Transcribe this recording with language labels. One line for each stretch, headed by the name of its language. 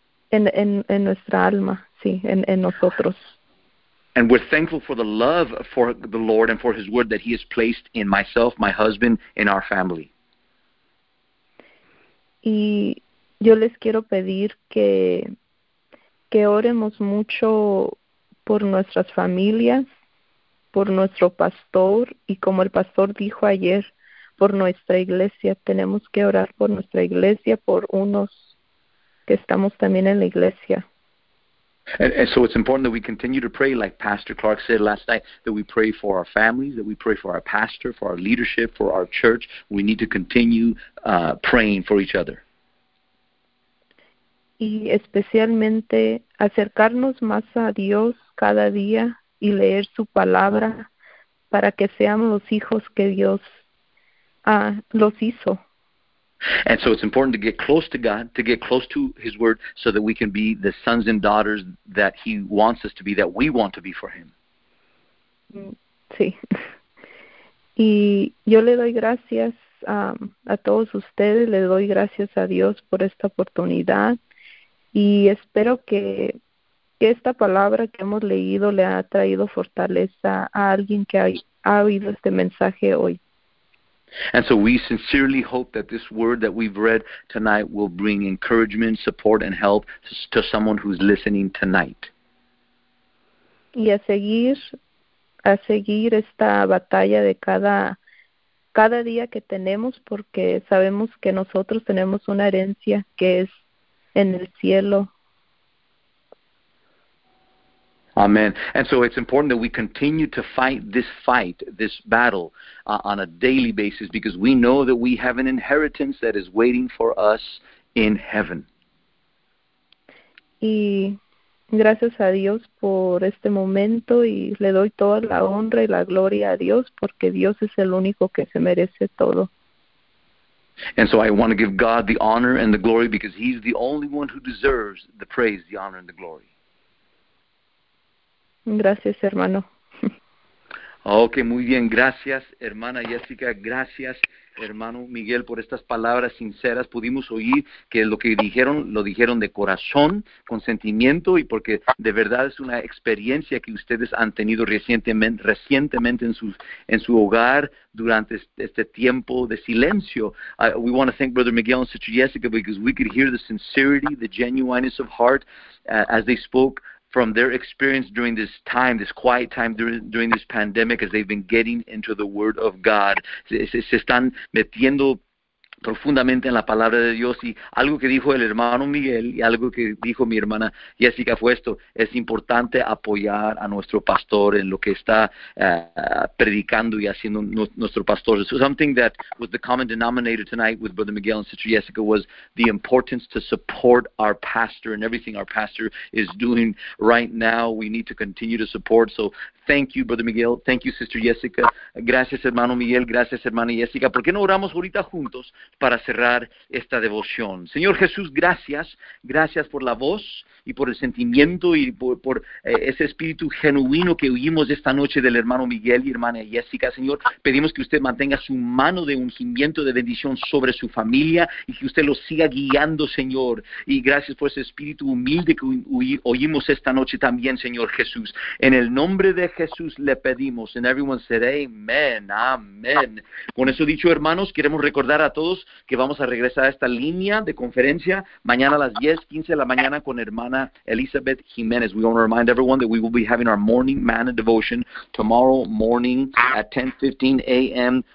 Spanish: En nuestra alma, sí, en nosotros.
English: And we're thankful for the love for the Lord and for His Word that He has placed in myself, my husband, in our family.
Spanish: Y yo les quiero pedir que oremos mucho por nuestras familias, por nuestro pastor, y como el pastor dijo ayer, por nuestra iglesia. Tenemos que orar por nuestra iglesia, por unos que estamos también en la iglesia.
English: And so it's important that we continue to pray, like Pastor Clark said last night, that we pray for our families, that we pray for our pastor, for our leadership, for our church. We need to continue praying for each other.
Spanish: Y especialmente acercarnos más a Dios cada día y leer su palabra para que seamos los hijos que Dios los hizo.
English: And so it's important to get close to God, to get close to His Word, so that we can be the sons and daughters that He wants us to be, that we want to be for Him.
Spanish: Sí. Y yo le doy gracias a todos ustedes. Le doy gracias a Dios por esta oportunidad. Y espero que esta palabra que hemos leído le ha traído fortaleza a alguien que ha oído este mensaje hoy.
English: And so we sincerely hope that this word that we've read tonight will bring encouragement, support, and help to someone who's listening tonight.
Spanish: Y a seguir esta batalla de cada día que tenemos, porque sabemos que nosotros tenemos una herencia que es en el cielo.
English: Amen. And so it's important that we continue to fight, this battle on a daily basis, because we know that we have an inheritance that is waiting for us in heaven.
Spanish: Y gracias a Dios por este momento, y le doy toda la honra y la gloria a Dios, porque Dios es el único que se merece todo.
English: And so I want to give God the honor and the glory, because He's the only one who deserves the praise, the honor, and the glory.
Spanish: Gracias, hermano. Ok, muy bien. Gracias, hermana Jessica. Gracias, hermano Miguel, por estas palabras sinceras. Pudimos oír que lo que dijeron, lo dijeron de corazón, con sentimiento, y porque de verdad es una experiencia que ustedes han tenido recientemente en su hogar durante este tiempo de silencio.
English: We want to thank Brother Miguel and Sister Jessica, because we could hear the sincerity, the genuineness of heart as they spoke from their experience during this time, this quiet time during this pandemic, as they've been getting into the Word of God.
Spanish: Se están metiendo profundamente en la palabra de Dios, y algo que dijo el hermano Miguel y algo que dijo mi hermana Jessica fue esto: es importante apoyar a nuestro pastor en lo que está predicando y haciendo nuestro pastor.
English: So something that was the common denominator tonight with Brother Miguel and Sister Jessica was the importance to support our pastor and everything our pastor is doing right now. We need to continue to support. So thank you, Brother Miguel. Thank you, Sister Jessica.
Spanish: Gracias, hermano Miguel. Gracias, hermana Jessica. ¿Por qué no oramos ahorita juntos para cerrar esta devoción? Señor Jesús, gracias. Gracias por la voz y por el sentimiento y por ese espíritu genuino que oímos esta noche del hermano Miguel y hermana Jessica. Señor, pedimos que usted mantenga su mano de ungimiento de bendición sobre su familia y que usted los siga guiando, Señor. Y gracias por ese espíritu humilde que oímos esta noche también, Señor Jesús. En el nombre de Jesús le pedimos,
English: and everyone said amen, amen.
Spanish: Con eso dicho, hermanos, queremos recordar a todos que vamos a regresar a esta línea de conferencia mañana a las 10:15 de la mañana con hermana Elizabeth Jiménez.
English: We want to remind everyone that we will be having our morning manna devotion tomorrow morning at 10:15 a.m.